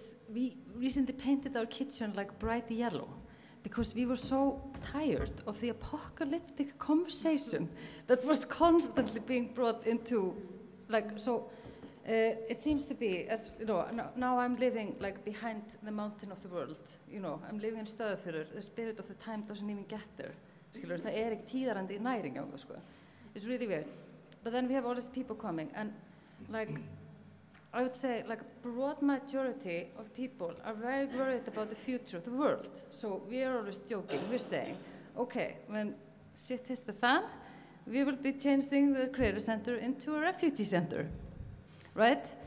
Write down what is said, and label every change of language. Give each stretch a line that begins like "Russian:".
English: we recently painted our kitchen like bright yellow because we were so tired of the apocalyptic conversation that was constantly being brought into, like, so it seems to be, as you know, now I'm living like behind the mountain of the world, you know, I'm living in Stöðafjörður, the spirit of the time doesn't even get there.
Icelandic: Það er ekki tíðarandi næring, sko.
English: It's really weird. But then we have all these people coming, and like, I would say like a broad majority of people are very worried about the future of the world. So we are always joking, we're saying, okay, when shit hits the fan, we will be changing the creative center into a refugee center, right?